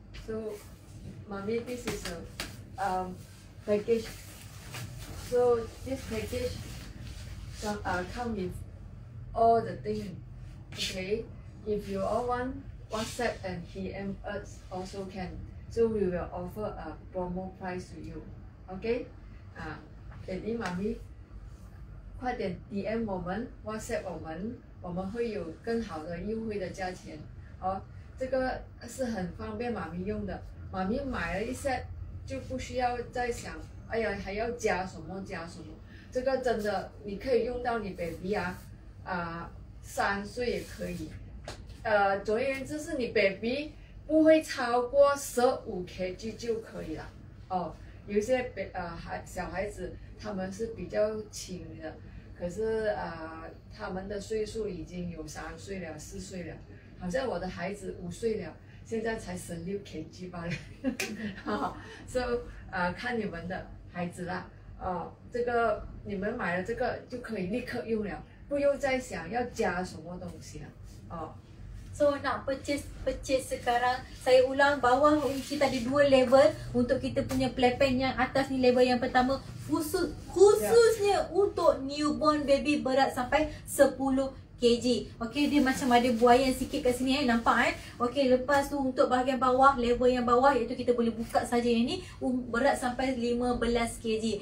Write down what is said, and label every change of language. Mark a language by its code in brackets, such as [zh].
[en] So Mami, this is a package. So this package come with all the things. Okay, if you all want WhatsApp and PM us also can. So we will offer a promo price to you. Okay? [ms] Jadi mami, [zh] 快点 DM 我们 ，WhatsApp 我们，我们会有更好的优惠的价钱。哦，这个是很方便妈咪用的。妈咪买了一 set 就不需要再想，哎呀还要加什么加什么。这个真的你可以用到你 baby 啊，三岁也可以。总而言之是你 baby 不会超过15 kg 就可以了。哦，有些小孩子他们是比较轻的，可是他们的岁数已经有三岁了四岁了。好像我的孩子五岁了，现在才十六 kg 吧，哈，so 看你们的孩子啦，这个你们买了这个就可以立刻用了，不用再想要加什么东西了， [ms] So nak purchase sekarang, saya ulang bawah kita ada dua level untuk kita punya playpen yang atas ni level yang pertama khususnya untuk newborn baby berat sampai 10 kg. Okey, dia macam ada buaya sikit kat sini nampak . Okey, lepas tu untuk bahagian bawah, level yang bawah iaitu kita boleh buka saja yang ni berat sampai 15 kg.